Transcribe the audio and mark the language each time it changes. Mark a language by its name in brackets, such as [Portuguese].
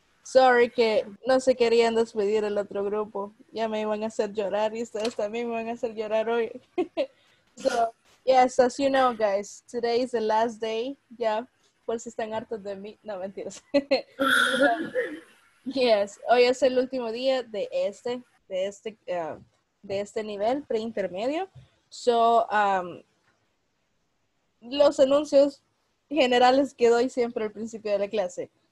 [Spanish] Sorry que no se querían despedir el otro grupo. Ya me iban a hacer llorar y ustedes también me van a hacer llorar hoy. [English] So, yes, as you know, guys, today is the last day. [Spanish] Ya, por si están hartos de mí. No, mentiras. Yes, hoy es el último día de este nivel preintermedio. So, los anuncios generales que doy siempre al principio de la clase.